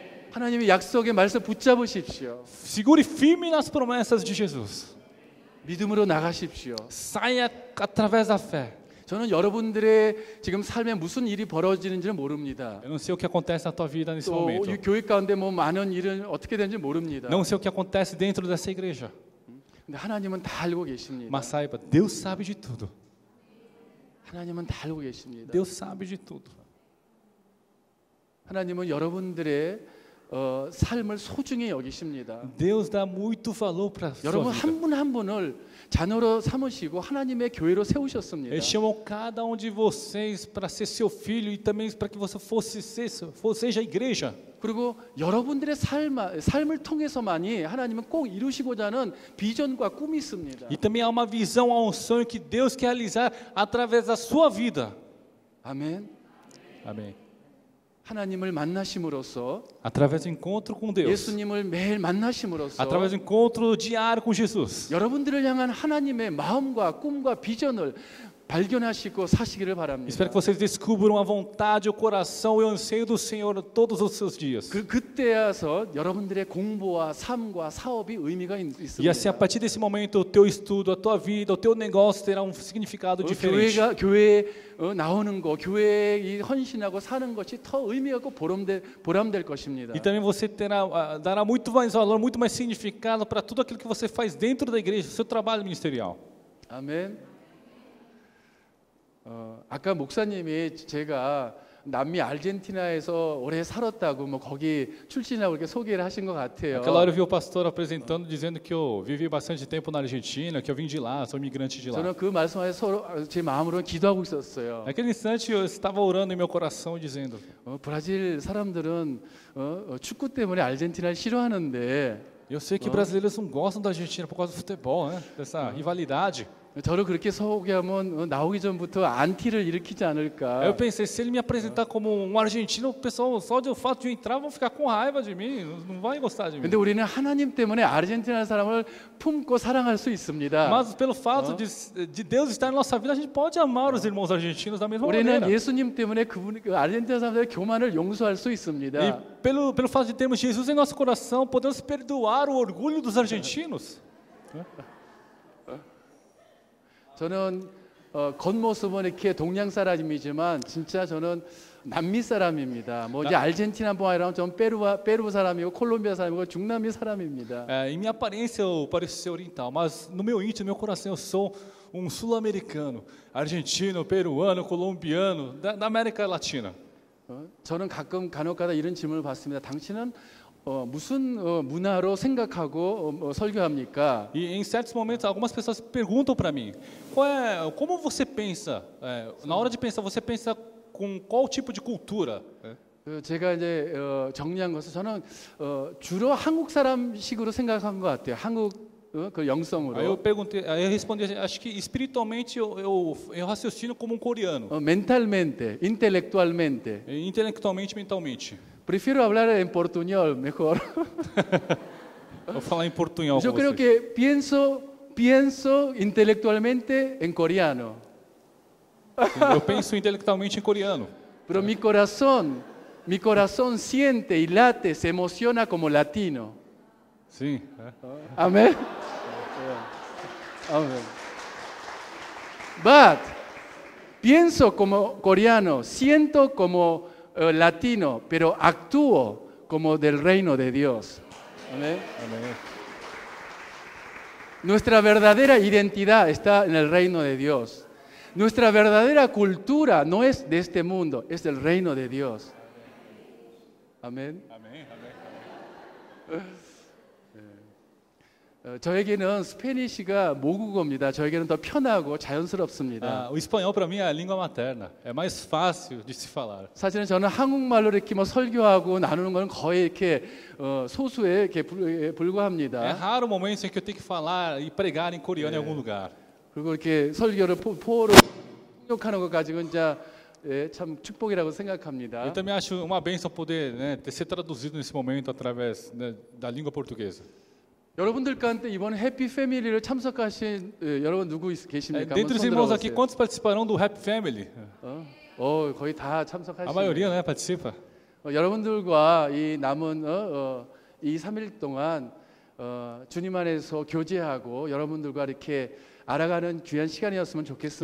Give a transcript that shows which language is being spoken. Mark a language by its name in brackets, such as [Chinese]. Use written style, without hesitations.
[Korean] 하나님의 약속의 말씀 붙잡으십시오. [Portuguese] Segure firme nas promessas de Jesus. [Korean] 믿음으로 나가십시오. [Portuguese] Saia através da fé. [Korean] 저는 여러분들의 지금 삶에 무슨 일이 벌어지는지는 모릅니다. [Portuguese] Eu não sei o que acontece na tua vida nesse momento. [Korean] 또 교회 가운데 뭐 많은 일은 어떻게 되는지 모릅니다. [Portuguese] Não sei o que acontece dentro dessa igreja. [Korean] 근데 하나님은 다 알고 계십니다. [Portuguese] Mas saiba, Deus sabe de tudo. [Korean] 하나님은 다 알고 계십니다. [Portuguese] Deus sabe de tudo. [Korean] 하나님은 여러분들의 삶을 소중히 여기십니다. [Portuguese] Deus dá muito valor para a sua vida. [Korean] 여러분 한 분 한 분을 자녀로 삼으시고 하나님의 교회로 세우셨습니다. [Portuguese] Ele chamou cada um de vocês para ser seu filho e também para que você seja a igreja. [Korean] 그리고 여러분들의 삶을 통해서만이 하나님은 꼭 이루시고자 하는 비전과 꿈이 있습니다. [Portuguese] E também há uma visão, há um sonho que Deus quer realizar através da sua vida. [Korean] 아멘. 아멘. 하나님을 만나심으로써 [Portuguese] Através do encontro com Deus. [Korean] 예수님을 매일 만나심으로써 [Portuguese] Através do encontro diário com Jesus. [Korean] 여러분들을 향한 하나님의 마음과 꿈과 비전을 발견하시고 사시기를 바랍니다. [Portuguese] Espero que vocês descubram a vontade, o coração e o anseio do Senhor todos os seus dias. [Korean] 그때에서 여러분들의 공부와 삶과 사업이 의미가 있습니다. [Portuguese] E assim, a partir desse momento, o teu estudo, a tua vida, o teu negócio terá um significado diferente. [Korean] 교회 나오는 거, 교회에 이 헌신하고 사는 것이 더 의미하고 보람될 것입니다. [Portuguese] E também você terá dará muito mais valor, muito mais significado para tudo aquilo que você faz dentro da igreja, seu trabalho ministerial. Amém. [Korean] 아까 목사님이 제가 남미 아르헨티나에서 오래 살았다고 뭐 거기 출신이라고 이렇게 소개를 하신 것 같아요. [Portuguese] Claro, vi o pastor apresentando dizendo que eu vivi bastante tempo na Argentina, que eu vim de lá, sou imigrante de lá. [Korean] 저는 그 말씀에 제 마음으로 기도하고 있었어요. [Portuguese] Naquele instante eu estava orando em meu coração dizendo. [Korean] 브라질 사람들은 축구 때문에 아르헨티나를 싫어하는데. [Portuguese] Eu sei que brasileiros não gostam da Argentina por causa do futebol, né? Dessa rivalidade. [Korean] 저를 그렇게 소개하면 나오기 전부터 안티를 일으키지 않을까? [Portuguese] Eu pensei se ele me apresentar como argentino, o pessoal só de fato de entrar vão ficar com raiva de mim, não vai gostar de mim. [Korean] 근데 우리는 하나님 때문에 아르헨티나 사람을 품고 사랑할 수 있습니다. [Portuguese] Mas pelo fato de Deus estar em nossa vida, a gente pode amar os irmãos argentinos da mesma maneira. [Korean] 우리는 예수님 때문에 그 아르헨티나 사람들의 교만을 용서할 수 있습니다. [Portuguese] E pelo fato de termos Jesus em nosso coração, podemos perdoar o orgulho dos argentinos. [Korean] 저는 겉모습은 이렇게 동양 사람이지만 진짜 저는 남미 사람입니다. 뭐 이제 아르헨티나 분이랑 좀 페루 사람이고 콜롬비아 사람이고 중남미 사람입니다. [Portuguese] Em minha aparência eu pareço ser oriental, mas no meu íntimo, meu coração, eu sou um sul-americano, argentino, peruano, colombiano da América Latina. [Korean] 저는 가끔 간혹가다 이런 질문을 받습니다. 당신은 무슨 문화로 생각하고 설교합니까? [Portuguese] E em certos momentos algumas pessoas perguntam para mim, qual é, como você pensa? Na hora de pensar, você pensa com qual tipo de cultura? [Korean] 제가 이제 정리한 것은 저는 주로 한국 사람식으로 생각한 것 같아요. 한국 그 영성으로. [Portuguese] Eu perguntei, eu respondi, acho que espiritualmente eu raciocino como um coreano. Mentalmente, intelectualmente. Intelectualmente, mentalmente. [Spanish] Prefiro hablar en portuñol, mejor. [Portuguese] Vou falar em portuñol. [Spanish] Yo creo que pienso intelectualmente en coreano. [Portuguese] Sim, eu penso intelectualmente em coreano. [Spanish] Pero mi corazón siente y late, se emociona como latino. [Portuguese] Sim. Amém. Amém. [Spanish] But pienso como coreano, siento como latino, pero actúo como del reino de Dios. Amén. Amén. Nuestra verdadera identidad está en el reino de Dios. Nuestra verdadera cultura no es de este mundo, es del reino de Dios. Amén. Amén. Amén. [Korean] 저에게는 스페니시가 모국어입니다. 저에게는 더 편하고 자연스럽습니다. [Portuguese] O espanhol para mim é a língua materna. É mais fácil de se falar. [Korean] 사실은 저는 한국말로 이렇게 뭐 설교하고 나누는 거는 거의 이렇게 소수에 이렇게 불과합니다. [Portuguese] É raro o momento em que eu tenho que falar e pregar em coreano em algum lugar. [Korean] 그리고 이렇게 설교를 포로 통역하는 것 가지고 이제 참 축복이라고 생각합니다. [Portuguese] Eu também acho uma bênção poder, né, ter ser traduzido nesse momento através, né, da língua portuguesa. [Korean] 여러분들 가운데 이번 해피 패밀리를 참석하신 여러분 누구 계십니까? [Portuguese] Dentre os irmãos aqui, quantos participarão do Happy Family? [Korean] 거의 다 참석하시네. [Portuguese] A maioria, né, participa. [Korean] 여러분들과 이 남은 이 3일 동안 주님 안에서 교제하고 여러분들과 이렇게 알아가는 귀한 시간이었으면 좋겠습니다.